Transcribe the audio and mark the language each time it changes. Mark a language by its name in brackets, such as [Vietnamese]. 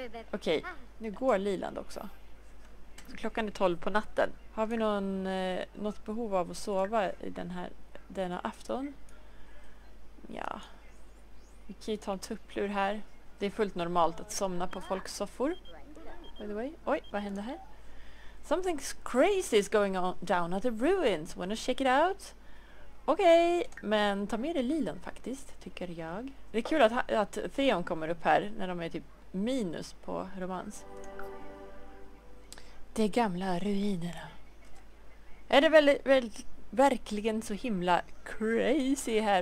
[Swedish] Okej, nu går Leland också. Så klockan är 12 på natten. Har vi något behov av att sova i denna afton? Ja, Vi kan ju ta en tupplur här. Det är fullt normalt att somna på folksoffor. [English] By the way. [Swedish] Oj, vad hände här? [English] Something crazy is going on down at the ruins. Wanna check it out? [Swedish] Okej, men ta med dig Lilan faktiskt, tycker jag. Det är kul att Theon kommer upp här när de är typ minus på romans. De gamla ruinerna. Är det verkligen så himla crazy här?